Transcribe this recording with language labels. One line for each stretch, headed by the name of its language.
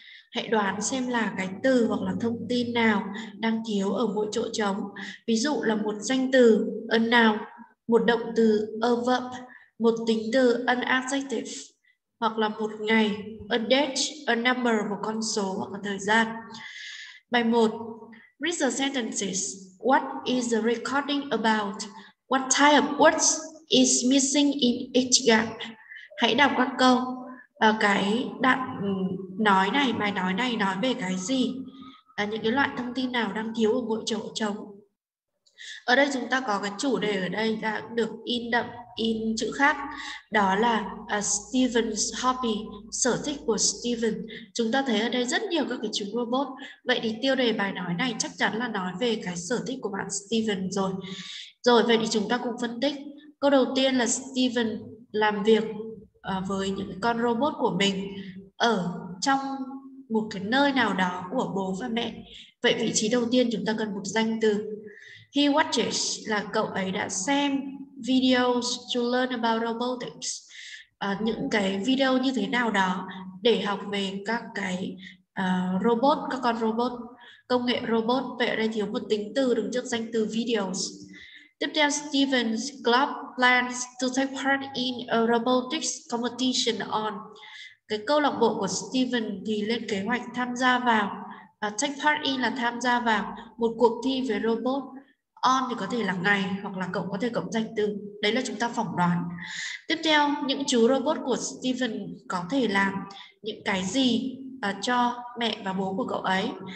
Vietnamese: Hãy đoán xem là cái từ hoặc là thông tin nào đang thiếu ở mỗi chỗ trống. Ví dụ là một danh từ,
English: a noun,
Vietnamese: một động từ,
English: a verb,
Vietnamese: một tính từ
English: an adjective,
Vietnamese: hoặc là một ngày
English: a date, a number,
Vietnamese: một con số hoặc là thời gian. Bài 1.
English: Read the sentences. What is the recording about? What type of words is missing in each gap?
Vietnamese: Hãy đọc các câu. Cái đoạn nói này, bài nói này nói về cái gì? Những cái loại thông tin nào đang thiếu ở mỗi chỗ trống? Ở đây chúng ta có cái chủ đề ở đây đã được in đậm in chữ khác, đó là
English: Steven's hobby,
Vietnamese: sở thích của Steven. Chúng ta thấy ở đây rất nhiều các cái chú robot. Vậy thì tiêu đề bài nói này chắc chắn là nói về cái sở thích của bạn Steven rồi. Rồi, vậy thì chúng ta cùng phân tích. Câu đầu tiên là Steven làm việc với những con robot của mình ở trong một cái nơi nào đó của bố và mẹ. Vậy vị trí đầu tiên chúng ta cần một danh từ.
English: He watches
Vietnamese: là cậu ấy đã xem
English: videos to learn about robotics,
Vietnamese: những cái video như thế nào đó để học về các cái robot, các con robot, công nghệ robot. Vậy ở đây thiếu một tính từ đứng trước danh từ videos. Tiếp theo,
English: Steven's club plans to take part in a robotics competition on.
Vietnamese: Cái câu lạc bộ của Steven thì lên kế hoạch tham gia vào,
English: take part in
Vietnamese: là tham gia vào một cuộc thi về robot. On thì có thể là ngày hoặc là cậu có thể cộng danh từ. Đấy là chúng ta phỏng đoán. Tiếp theo, những chú robot của Steven có thể làm những cái gì cho mẹ và bố của cậu ấy?